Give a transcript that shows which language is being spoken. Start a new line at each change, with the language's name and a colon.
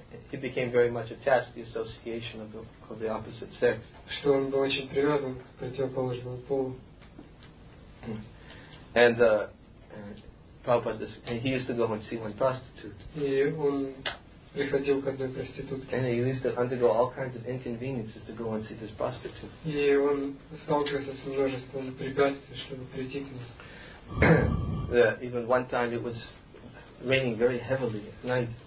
English: He became very much attached to the association of the opposite sex.
Russian: Что он был очень привязан к противоположному полу.
English: And he used to go and see one prostitute. And he used to undergo all kinds of inconveniences to go and see this prostitute. Even one time it was raining very heavily at night.